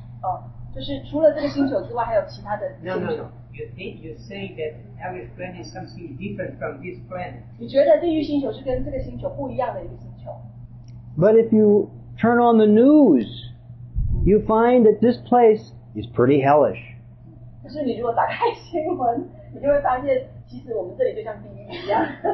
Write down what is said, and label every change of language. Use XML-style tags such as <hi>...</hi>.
<zh>Oh. 就是除了这个星球之外，还有其他的星球。</zh> <en>No, no, no. you say that every planet is something different from this planet.</en> <zh>你觉得地狱星球是跟这个星球不一样的一个星球。</zh> <en>But if you turn on the news, you find that this place is pretty hellish.</en> <zh>可是你如果打开新闻，你就会发现，其实我们这里就像地狱一样。</zh>